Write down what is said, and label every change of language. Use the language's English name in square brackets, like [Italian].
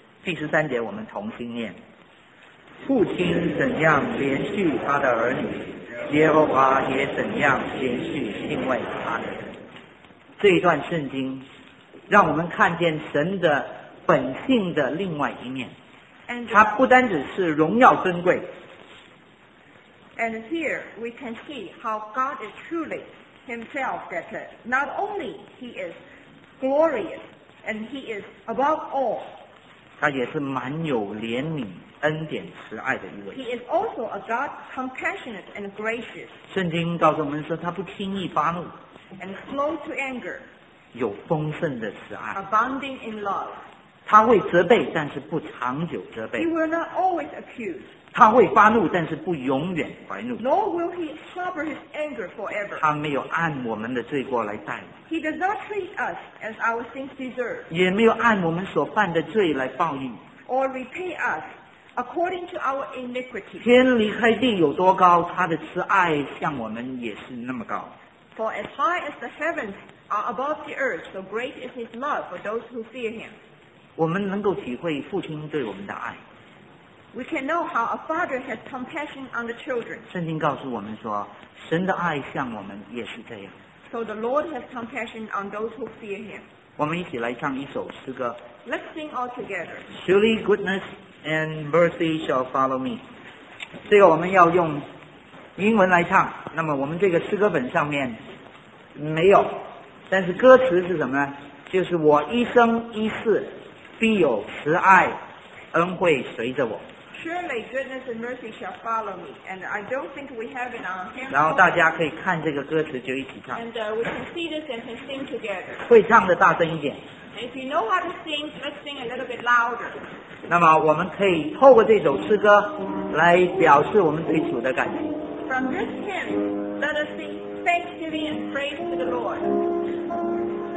[Chinese] 第十三节我们同心念，父亲怎样连续他的儿女，耶和华也怎样连续敬畏他的人。这一段圣经让我们看见神的本性的另外一面，他不单只是荣耀尊贵， [English] And here we can see how God is truly himself, that not only he is glorious and he is above all, [Chinese] 他也是满有怜悯恩典慈爱的一位。 [English] He is also a God compassionate and gracious. [Chinese] 圣经告诉我们说他不轻易发怒。 [English] And slow to anger. [Chinese] 有丰盛的慈爱。 [English] Abounding in love. [Chinese] 他会责备，但是不长久责备。 [English] He will not always accuse. [Chinese] 他会发怒，但是不永远怀怒。 [English] Nor will he harbor his anger forever. [Chinese] 他没有按我们的罪过来待我们。 [English] He does not treat us as our sins deserve. [Chinese] 也没有按我们所犯的罪来报应。 [English] Or repay us. According to our iniquity. [Chinese] 天离开地有多高，他的慈爱向我们也是那么高。 [English] For as high as the heavens are above the earth, so great is his love for those who fear him. [Chinese] 我们能够体会父亲对我们的爱。 [English] We can know how a father has compassion on the children. [Chinese] 圣经告诉我们说，神的爱向我们也是这样。 [English] So the Lord has compassion on those who fear him. [Chinese] 我们一起来唱一首诗歌。 [English] Let's sing all together. Surely goodness. And mercy shall follow me. [Chinese] 这个我们要用英文来唱。那么我们这个诗歌本上面没有，但是歌词是什么呢？就是我一生一世必有慈爱恩惠随着我。 [English] Surely goodness and mercy shall follow me, and I don't think we have it on hand. [Chinese] 然后大家可以看这个歌词就一起唱。 [English] And we can see this and can sing together. [Chinese] 会唱的大声一点。 [English] If you know how to sing, let's sing a little bit louder. [Chinese] 那么我们可以透过这首诗歌来表示我们对主的感激。 [English] From this hymn, let us sing thanksgiving and praise to the Lord.